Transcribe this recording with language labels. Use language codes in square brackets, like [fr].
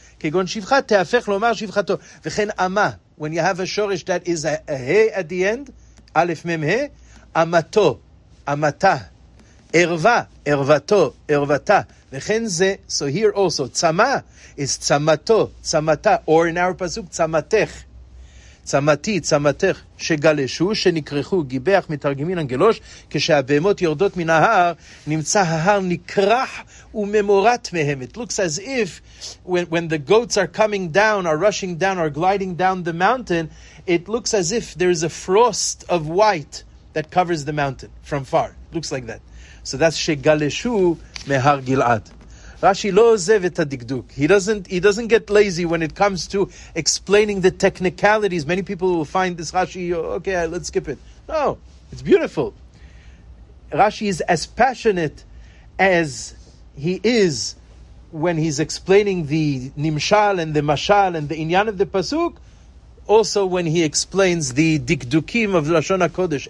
[he] כגון שפחה, תהפך לומר שפחתו. וכן אמה, [en] when you have a shoresh that is a ה at the end, [he] א' מ' ה', אמתו, אמתה, ערווה, ערוותו, ערוותה. וכן זה, [en] so here also, [he] צמה is צמתו, צמתה, [en] or in our [he] פסוק, צמתך. צמתי, צמתך, שגלשו, שנקרחו, גיבח, מתרגמין אנגלוש, כשהבהמות יורדות מן ההר, נמצא ההר נקרח וממורת מהם. [en] It looks as if when the goats are coming down, are rushing down, are gliding down the mountain, it looks as if there is a frost of white that covers the mountain from far. It looks like that. So that's [he] שגלשו מהר גלעד. Rashi lo ozev et ha-dikduk. [en] He doesn't get lazy when it comes to explaining the technicalities. Many people will find this Rashi, okay, let's skip it. No, it's beautiful. Rashi is as passionate as he is when he's explaining the nimshal and the mashal and the inyan of the pasuk, also when he explains the dikdukim of Lashon HaKodesh.